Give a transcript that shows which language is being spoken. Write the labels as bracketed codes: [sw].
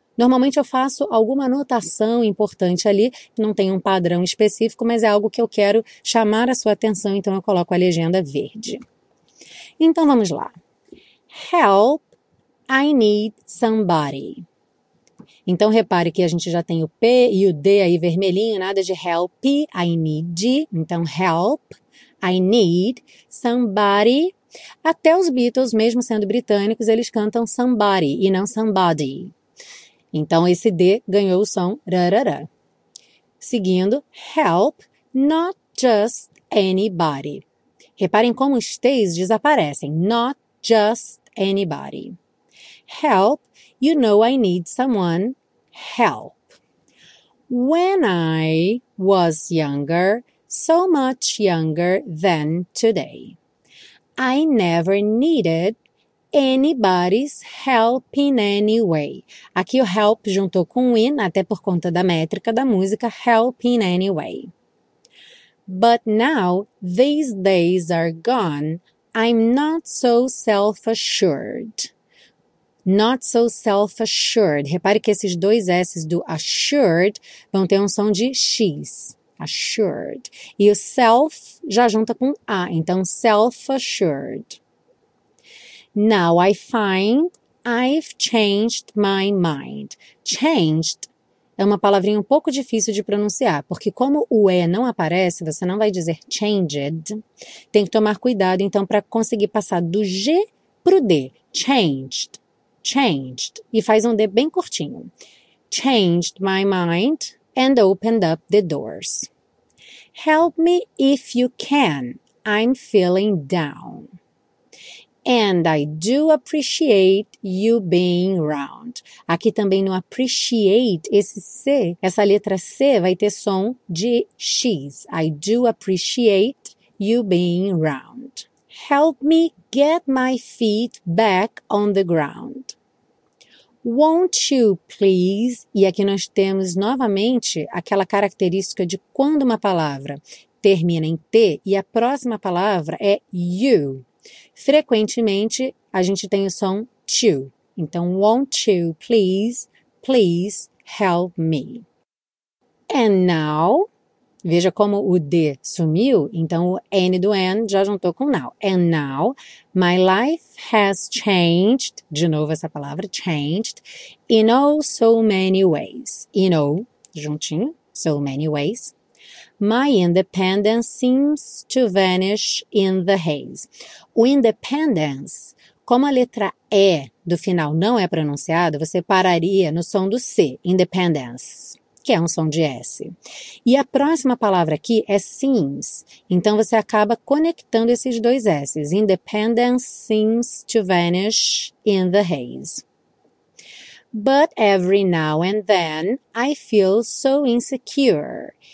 [pt] Normalmente eu faço alguma anotação importante ali, não tem um padrão específico, mas é algo que eu quero chamar a sua atenção, então eu coloco a legenda verde. Então vamos lá. [en] Help, I need somebody. [pt] Então repare que a gente já tem o P e o D aí vermelhinho, nada de [en] help, I need. Então help, I need somebody. [pt] Até os Beatles, mesmo sendo britânicos, eles cantam somebody e não somebody. Então, esse D ganhou o som rarará. [en] Seguindo, help, not just anybody. [pt] Reparem como os T's desaparecem. [en] Not just anybody. Help, you know I need someone. Help. When I was younger, so much younger than today, I never needed anybody's helping anyway. [pt] Aqui o help juntou com in, até por conta da métrica da música, [en] helping anyway. But now these days are gone, I'm not so self-assured. Not so self-assured. [pt] Repare que esses dois S's do assured vão ter um som de X. Assured. E o self já junta com a, então self-assured. [en] Now I find I've changed my mind. [pt] Changed é uma palavrinha um pouco difícil de pronunciar, porque como o E não aparece, você não vai dizer changed. Tem que tomar cuidado, então, para conseguir passar do G para o D. Changed. Changed. E faz um D bem curtinho. [en] Changed my mind and opened up the doors. Help me if you can. I'm feeling down. And I do appreciate you being around. [pt] Aqui também no appreciate, esse C, essa letra C vai ter som de X. [en] I do appreciate you being around. Help me get my feet back on the ground. Won't you please? [pt] E aqui nós temos novamente aquela característica de quando uma palavra termina em T e a próxima palavra é you. Frequentemente a gente tem o som to. [en] Então, won't you please, please help me? And now, [pt] Veja como o de sumiu, então o N do and já juntou com now. [en] And now, my life has changed, [pt] de novo essa palavra, [en] changed, in oh so many ways. In oh, juntinho, so many ways. My independence seems to vanish in the haze. [pt] O independence, como a letra E do final não é pronunciada, você pararia no som do C, independence, que é um som de S. E a próxima palavra aqui é seems. Então, você acaba conectando esses dois S's. [en] Independence seems to vanish in the haze. But every now and then, I feel so insecure.